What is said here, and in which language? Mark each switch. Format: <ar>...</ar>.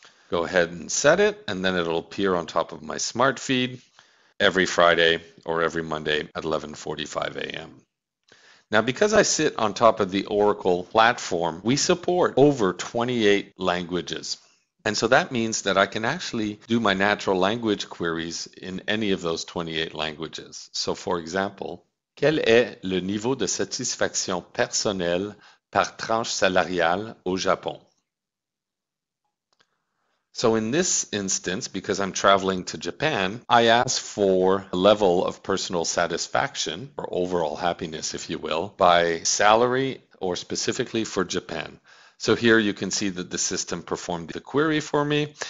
<en>Go ahead and set it, and then it'll appear on top of my smart feed every Friday or every Monday at 11:45 a.m. Now, because I sit on top of the Oracle platform, we support over 28 languages. And so that means that I can actually do my natural language queries in any of those 28 languages.</en> <fr>So for example, quel est le niveau de satisfaction personnelle par tranche salariale au Japon?</fr> <en>So in this instance, because I'm traveling to Japan, I ask for a level of personal satisfaction, or overall happiness, if you will, by salary or specifically for Japan. So here you can see that the system performed the query for me.</en>